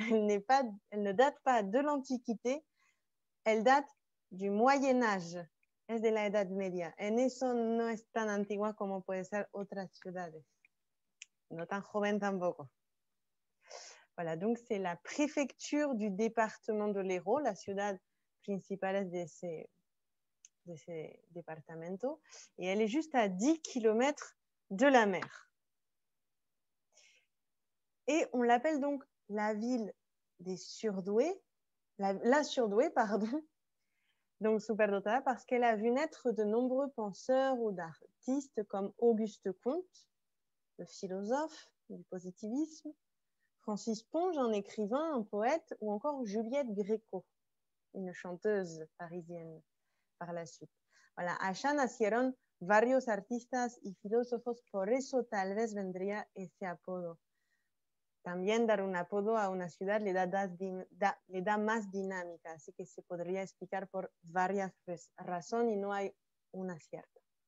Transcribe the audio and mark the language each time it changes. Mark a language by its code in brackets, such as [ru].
[fr] Elle ne date pas de l'Antiquité. Elle date du Moyen-Âge. [es] Es de la Edad Media. En eso no es tan antigua como puede ser otras ciudades. No tan joven tampoco. [fr] Voilà, donc c'est la préfecture du département de l'Hérault, [es] la ciudad principal [fr] de ce departamento, et elle est juste à 10 km de la mer. Et on l'appelle donc la ville des surdoués, la surdouée, pardon, donc superdotada, parce qu'elle a vu naître de nombreux penseurs ou d'artistes comme Auguste Comte, le philosophe du positivisme, Francis Ponge, un écrivain, un poète, ou encore Juliette Gréco, une chanteuse parisienne par la suite. [es] Voilà, allá nacieron varios artistas y filósofos, por eso tal vez vendría ese apodo. También dar un apodo a una ciudad le da más dinámica, así que se podría explicar por varias razones y no hay una cierta.